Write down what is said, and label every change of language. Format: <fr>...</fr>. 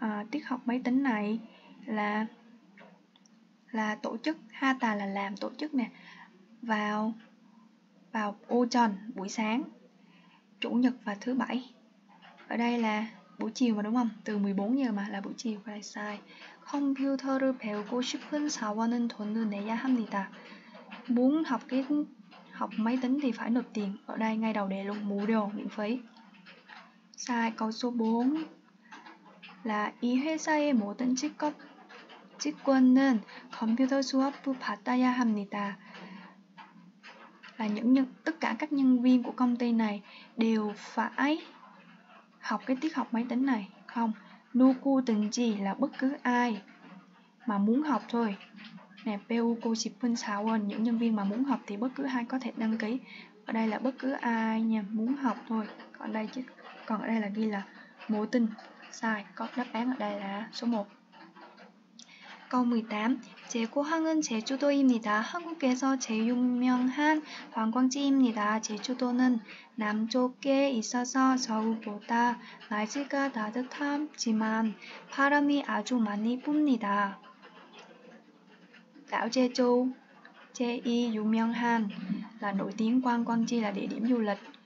<vi>Tiết học máy tính này là tổ chức, Hata là làm tổ chức nè, vào Ochon buổi sáng, chủ nhật và thứ bảy. Ở đây là buổi chiều mà đúng không? Từ 14 giờ mà là buổi chiều phải sai.</vi> <ko>컴퓨터를 배우고 싶은 사원은 돈을 내야 합니다.</ko> <vi>Muốn học cái học máy tính thì phải nộp tiền. Ở đây ngay đầu đề luôn,</vi> <ko>무료,</ko> <vi>miễn phí. Sai câu số 4 là</vi> <ko>이 회사의 모든 직원은 컴퓨터 수업을 받아야 합니다.</ko> <vi>Là tất cả các nhân viên của công ty này đều phải học cái tiết học máy tính này. Không,</vi> <ko>누구든지</ko> <vi>là bất cứ ai mà muốn học thôi. Nè,</vi> <ko>배우고 싶은 사원,</ko> <vi>những nhân viên mà muốn học thì bất cứ ai có thể đăng ký. Ở đây là bất cứ ai nha, muốn học thôi. Còn đây chứ, còn ở đây là ghi là mô tinh. Sai, có đáp án ở đây là số 1. Câu 18.</vi> <ko>제 고향은 제주도입니다. 한국에서 제일 유명한 관광지입니다. 제주도는 남쪽에 있어서 서울보다 날씨가 따뜻하지만 바람이 아주 많이 붑니다.</ko> <vi>đảo Jeju, Jeju</vi> <ko>Yumyeonghan</ko> <vi>là nổi tiếng quan quan chi là địa điểm du lịch.</vi>